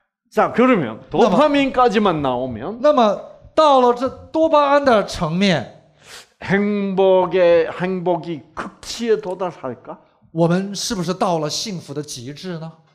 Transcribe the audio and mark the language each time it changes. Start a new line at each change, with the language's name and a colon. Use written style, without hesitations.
Korean: 자, 그러면 도파민까지만 나오면
Chinese: 那么到了这多巴胺的层面
Korean: 행복의 행복이 극치에 도달할까?
Chinese: 我们是不是到了幸福的极致呢?